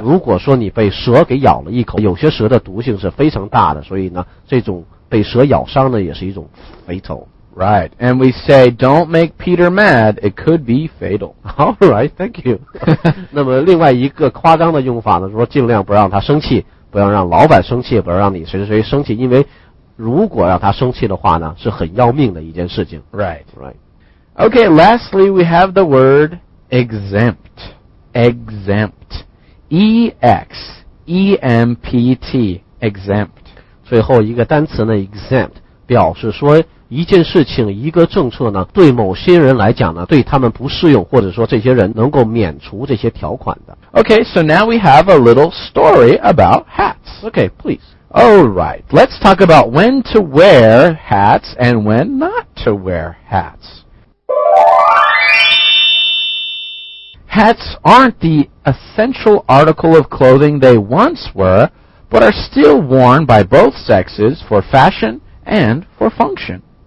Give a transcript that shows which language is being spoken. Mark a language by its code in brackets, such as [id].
[zh] 如果说你被蛇给咬了一口，有些蛇的毒性是非常大的，所以呢这种被蛇咬伤呢也是一种 fatal。 [en] Right, and we say don't make Peter mad, it could be fatal. Alright, thank you. [zh] 那么另外一个夸张的用法呢，说尽量不让他生气，不要让老板生气，不要让你谁谁谁生气，因为如果让他生气的话呢是很要命的一件事情。 [en] Right, right. Okay, lastly, we have the word exempt. Exempt. E-X-E-M-P-T. Exempt. [zh] 最后一个单词呢 exempt, 表示说一件事情一个政策呢对某些人来讲呢对他们不适用，或者说这些人能够免除这些条款的。 [en] Okay, so now we have a little story about hats. Okay, please. Alright, let's talk about when to wear hats and when not to wear hats. Hats aren't the essential article of clothing they once were, but are still worn by both sexes for fashion and for function.